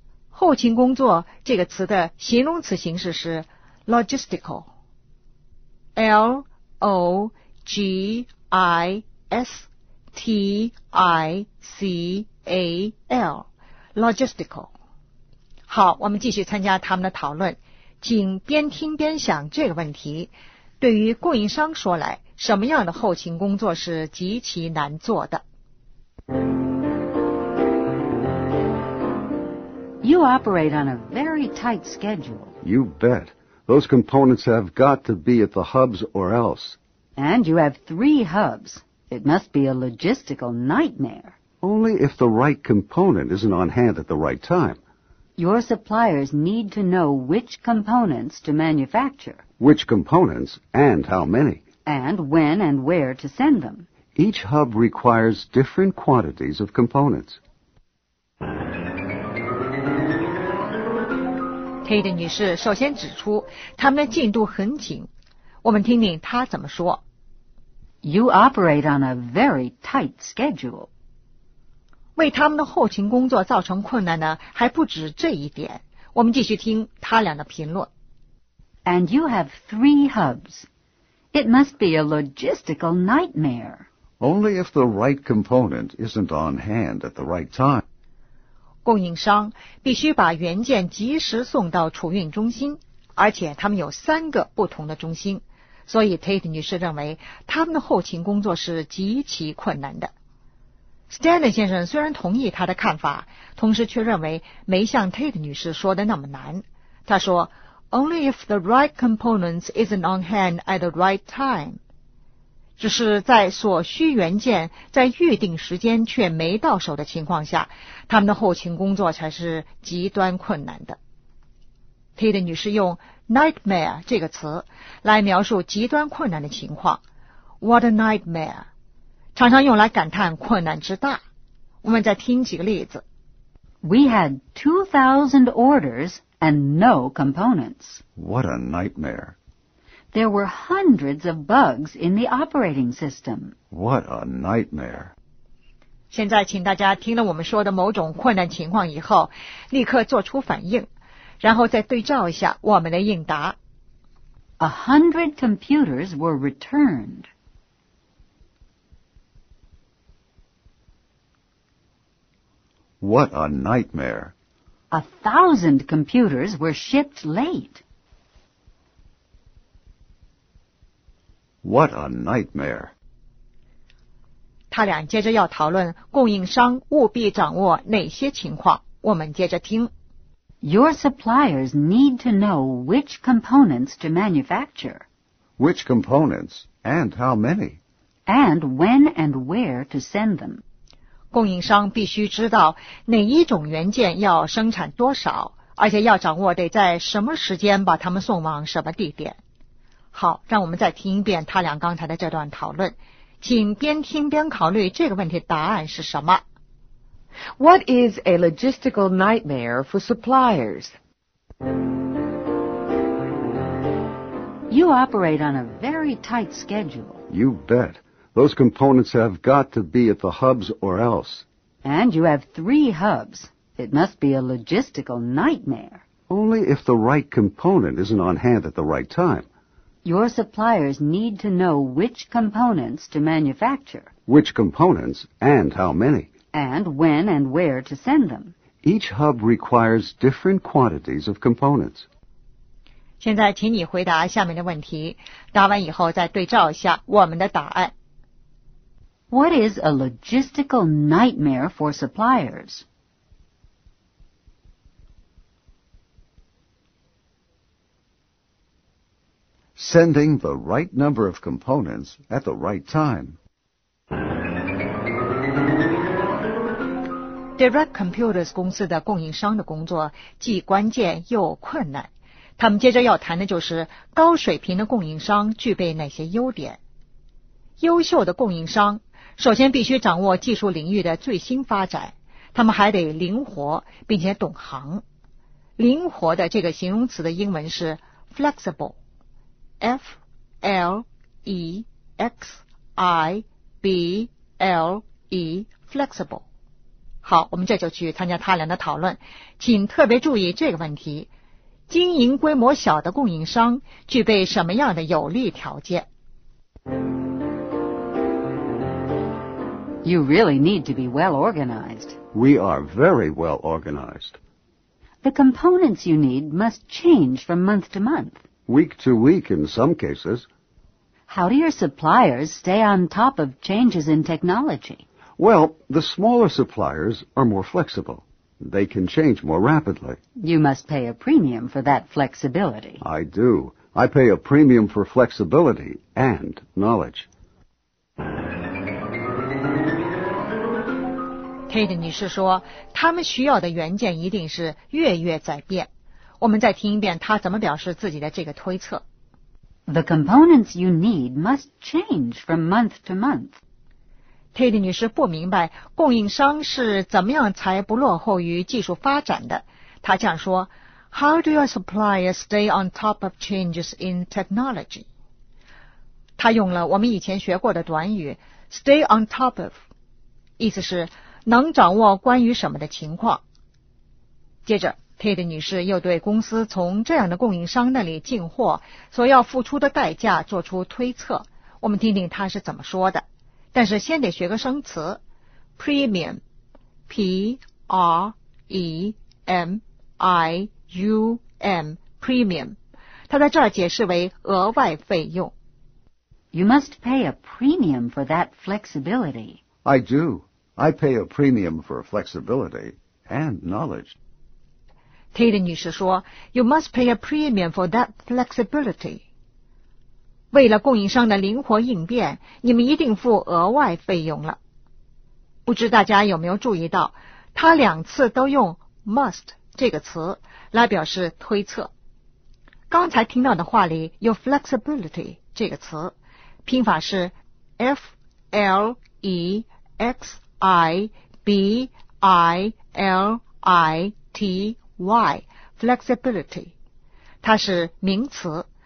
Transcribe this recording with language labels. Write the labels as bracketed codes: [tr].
[zh] 后勤工作这个词的形容词形式是 logistical， L-O-G-I-S-T-I-C-A-L， logistical。好，我们继续参加他们的讨论，请边听边想这个问题，对于供应商说来，什么样的后勤工作是极其难做的？ [en] You operate on a very tight schedule. You bet. Those components have got to be at the hubs or else. And you have three hubs. It must be a logistical nightmare. Only if the right component isn't on hand at the right time. Your suppliers need to know which components to manufacture. Which components and how many. And when and where to send them. Each hub requires different quantities of components. [zh] Tate 女士首先指出他们的进度很紧，我们听听她怎么说。 [en] You operate on a very tight schedule. [zh] 为他们的后勤工作造成困难呢，还不止这一点，我们继续听他俩的评论。 [en] And you have three hubs. It must be a logistical nightmare. Only if the right component isn't on hand at the right time. [zh] 供应商必须把原件及时送到储运中心，而且他们有三个不同的中心，所以 Tate 女士认为他们的后勤工作是极其困难的。 Stanley 先生虽然同意他的看法，同时却认为没像 Tate 女士说的那么难。他说 [en] Only if the right components isn't on hand at the right time， [zh] 只是在所需原件在预定时间却没到手的情况下，他们的后勤工作才是极端困难的。 Tate 女士用 nightmare 这个词来描述极端困难的情况。 [en] What a nightmare [zh] 常常用来感叹困难之大。我们再听几个例子。 [en] We had 2,000 orders and no components. What a nightmare. There were hundreds of bugs in the operating system. What a nightmare. [zh] 现在请大家听了我们说的某种困难情况以后，立刻做出反应，然后再对照一下我们的应答。 [en] 100 computers were returned. What a nightmare. 1,000 computers were shipped late. What a nightmare. [zh] 他俩接着要讨论供应商务必掌握哪些情况，我们接着听。 [en] Your suppliers need to know which components to manufacture. Which components and how many? And when and where to send them. [zh] 供应商必须知道哪一种元件要生产多少，而且要掌握得在什么时间把他们送往什么地点。好，让我们再听一遍他俩刚才的这段讨论，请边听边考虑这个问题答案是什么。 [en] What is a logistical nightmare for suppliers? You operate on a very tight schedule. You bet. Those components have got to be at the hubs or else. And you have 3 hubs. It must be a logistical nightmare. Only if the right component isn't on hand at the right time. Your suppliers need to know which components to manufacture. Which components and how many? And when and where to send them. Each hub requires different quantities of components. [zh] 现在请你回答下面的问题，答完以后再对照一下我们的答案。 [en] What is a logistical nightmare for suppliers? Sending the right number of components at the right time. [zh] Direct Computers 公司的供应商的工作既关键又困难。他们接着要谈的就是高水平的供应商具备哪些优点。优秀的供应商首先必须掌握技术领域的最新发展，他们还得灵活并且懂行。灵活的这个形容词的英文是 flexible, F-L-E-X-I-B-L-E, flexible. 好，我们这就去参加他俩的讨论，请特别注意这个问题，经营规模小的供应商具备什么样的有利条件？ [en] You really need to be well organized. We are very well organized. The components you need must change from month to month. Week to week in some cases. How do your suppliers stay on top of changes in technology? Well, the smaller suppliers are more flexible. They can change more rapidly. You must pay a premium for that flexibility. I do. I pay a premium for flexibility and knowledge. [zh] Kate 女士说，他们需要的元件一定是月月在变。我们再听一遍她怎么表示自己的这个推测。 [en] The components you need must change from month to month. [zh] Tate 女士不明白供应商是怎么样才不落后于技术发展的。她这样说， [en] How do your suppliers stay on top of changes in technology? [zh] 她用了我们以前学过的短语 stay on top of, 意思是能掌握关于什么的情况。接着 Tate 女士又对公司从这样的供应商那里进货所要付出的代价做出推测，我们听听她是怎么说的。但是先得学个生词 premium, P-R-E-M-I-U-M, premium, 它在这儿解释为额外费用。 [en] You must pay a premium for that flexibility. I do. I pay a premium for flexibility and knowledge. Tate [zh] 女士说 [en] ,You must pay a premium for that flexibility. [zh] 为了供应商的灵活应变，你们一定付额外费用了。不知大家有没有注意到，他两次都用 must 这个词来表示推测。刚才听到的话里有 flexibility 这个词，拼法是 F-L-E-X-I-B-I-L-I-T-Y, flexibility, 它是名词。